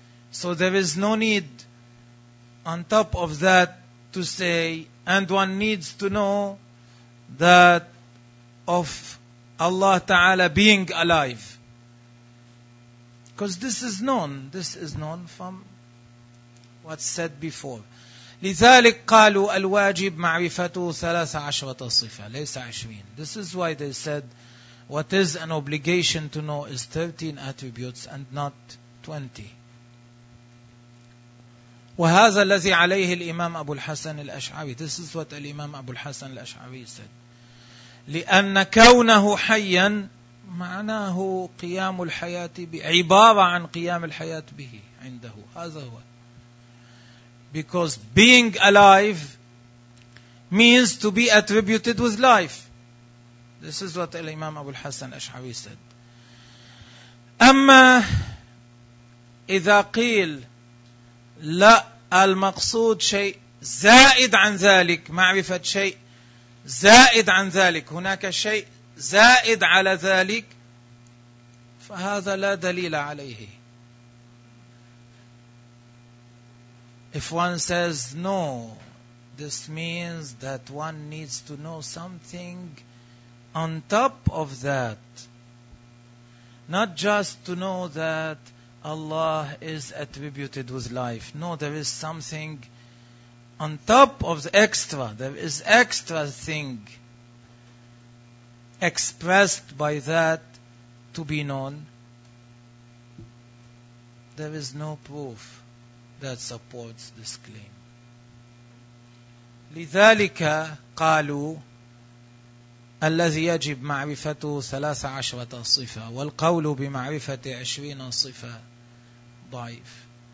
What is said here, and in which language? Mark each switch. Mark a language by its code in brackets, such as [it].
[en] So there is no need on top of that to say, and one needs to know that of Allah Ta'ala being alive. Because this is known from what's said before. [ar] لذلك قالوا الواجب معرفته 13 صفة ليس 20. [en] This is why they said what is an obligation to know is 13 attributes and not 20. [ar] وهذا الذي عليه الإمام أبو الحسن الأشعري. [en] This is what الإمام أبو الحسن الأشعري said. [ar] لأن كونه حيا معناه قيام الحياة بعبارة عن قيام الحياة به عنده. هذا هو. [en] Because being alive means to be attributed with life. This is what الإمام أبو الحسن الأشعري said. [ar] أما إذا قيل لا المقصود شيء زائد عن ذلك، معرفة شيء زائد عن ذلك، هناك شيء زائد على ذلك، فهذا لا دليل عليه. [en] If one says no, this means that one needs to know something on top of that. Not just to know that Allah is attributed with life. No, there is something on top of the extra. There is extra thing expressed by that to be known. There is no proof that supports this claim. [ar] لذلك قالوا الذي يجب معرفته 13 صفة والقول بمعرفة 20 صفة ضعيف.